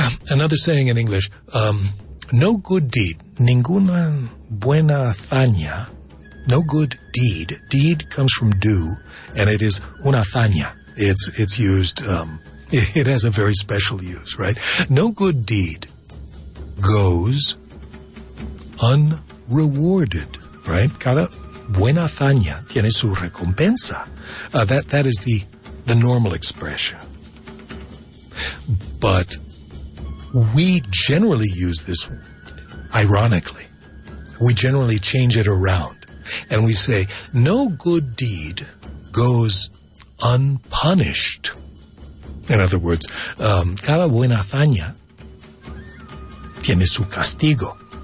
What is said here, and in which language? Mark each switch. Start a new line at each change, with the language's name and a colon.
English: Another saying in English, no good deed,
Spanish: ninguna buena hazaña,
English: no good deed. Deed comes from do, and it is
Spanish: una hazaña.
English: It's used, it has a very special use, right? No good deed goes unrewarded, right?
Spanish: Cada buena hazaña tiene su recompensa.
English: That is the normal expression. But we generally use this ironically. We generally change it around. And we say, no good deed goes unpunished. In other words,
Spanish: cada buena hazaña tiene su castigo.